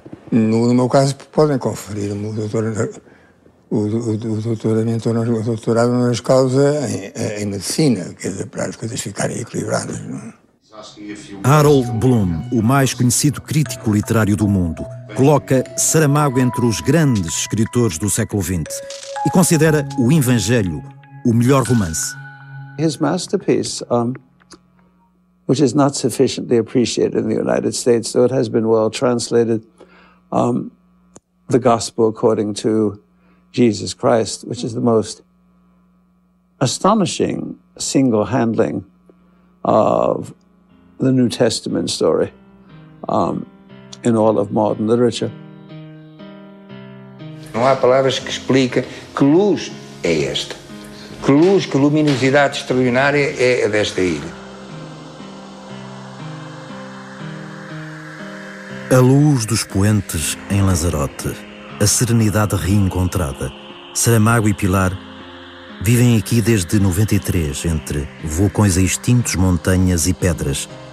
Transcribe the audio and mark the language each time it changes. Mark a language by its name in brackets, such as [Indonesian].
[Portuguese] No meu caso, podem conferir-me o doutorado honoris causa em medicina, quer dizer, para as coisas ficarem equilibradas, não? Harold Bloom, o mais conhecido crítico literário do mundo, coloca Saramago entre os grandes escritores do século XX e considera O Evangelho o melhor romance. [English] His masterpiece, which is not sufficiently appreciated in the United States, though it has been well translated, The Gospel According to Jesus Christ, which is the most astonishing single handling of the New Testament story in all of modern literature. [Portuguese] Não há palavras que explica que luz é esta. Que luz, que luminosidade extraordinária é a desta ilha. A luz dos poentes em Lanzarote, a serenidade reencontrada, Saramago e Pilar vivem aqui desde 93, entre vulcões a extintos, montanhas e pedras.